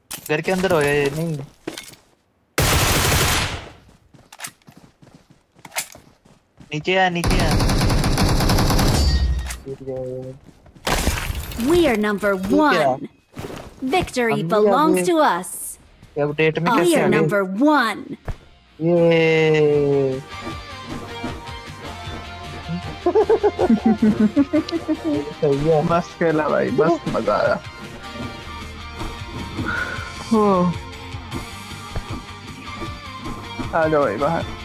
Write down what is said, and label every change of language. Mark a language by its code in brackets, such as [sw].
[hi] घर के अंदर हो या नहीं नीचे आ नीचे आ [en] We are number 1 victory belongs to us [hi] update में कैसे [en] We are number 1 [hi] ये सही है मस्त खेला भाई मस्त मजा आया हो आ जाओ भाई बाहर